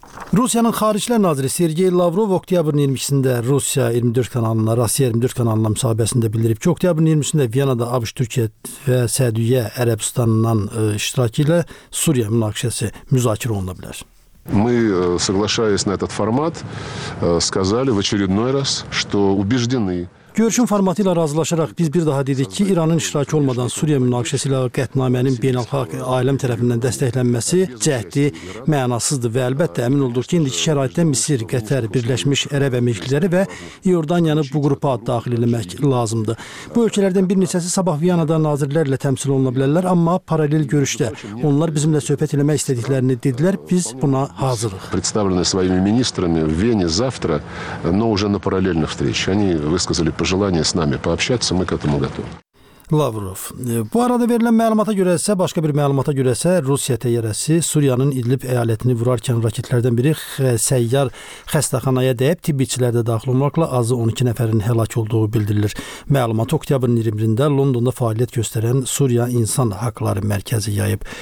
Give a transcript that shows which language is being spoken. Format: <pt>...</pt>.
<az>Rusiyanın Xarişlər Naziri Sergey Lavrov oktyabrın 22-sində Rusiya 24 kanalına, Rusiya 24 kanalına müsahibəsində bildirib ki, oktyabrın 20-sində Viyana'da ABŞ, Türkiyə və Səudiyyə Ərəbistanından iştirakı ilə Suriya münaqişəsi müzakirə oluna bilər.</az> <ru>Мы, соглашаясь на этот формат, сказали в очередной раз, что убеждены...</ru> <az>Görüşün formatı ilə razılaşaraq biz bir daha dedik ki, İranın iştirakı olmadan Suriye münaqişəsi ilə qətnamənin beynəlxalq aləm tərəfindən dəstəklənməsi cəhdi mənasızdır və əlbəttə əmin olduq ki, indiki şəraitdə Misir, Qətər, Birləşmiş Ərəb Əmirlikləri və Yordaniyanı bu qrupa daxil etmək lazımdır. Bu ölkələrdən bir neçəsi sabah Viyanada nazirlərlə təmsil oluna bilərlər, amma paralel görüşdə onlar bizimlə söhbət eləmək istədiklərini dedilər, biz buna hazırıq.</az> <ru>Представленные своими министрами в Вене завтра, но уже на параллельных встречах. Они высказали пожелание с нами пообщаться, мы к этому готовы.</ru> <az>Lavrov. Bu arada verilən məlumata görə isə, başqa bir məlumata görə isə Rusiya təyyarəsi Suriyanın İdlib əyalətini vurarkən raketlərdən biri səyyar xəstəxanaya dəyib, tibbiçilər də daxil olmaqla azı 12 nəfərin həlak olduğu bildirilir. Məlumat oktyabrın 21-də Londonda fəaliyyət göstərən Suriya İnsan Haqları Mərkəzi yayıb.</az>